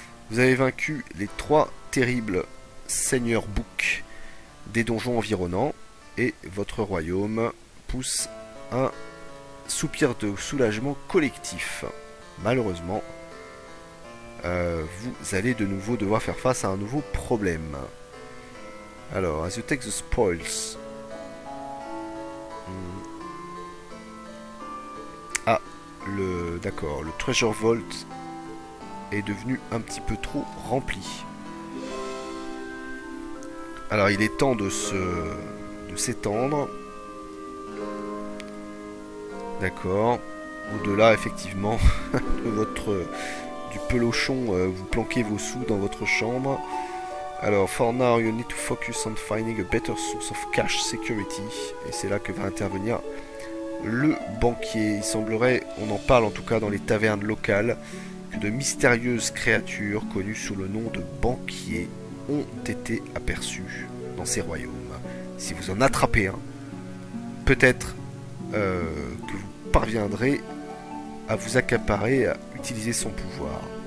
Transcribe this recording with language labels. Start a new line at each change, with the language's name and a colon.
French: Vous avez vaincu les trois terribles seigneurs boucs des donjons environnants et votre royaume pousse un soupir de soulagement collectif. Malheureusement, vous allez de nouveau devoir faire face à un nouveau problème.
English: Alors, as you take the spoils.
French: Ah, d'accord, le Treasure Vault est devenu un petit peu trop rempli. Alors, il est temps de s'étendre. D'accord. Au-delà, effectivement, du pelochon, vous planquez vos sous dans votre chambre.
English: Alors, for now, you need to focus on finding a better source of cash security.
French: Et c'est là que va intervenir le banquier. Il semblerait, on en parle en tout cas dans les tavernes locales, que de mystérieuses créatures connues sous le nom de banquiers ont été aperçues dans ces royaumes. Si vous en attrapez un, peut-être que vous parviendrez à vous accaparer, à utiliser son pouvoir.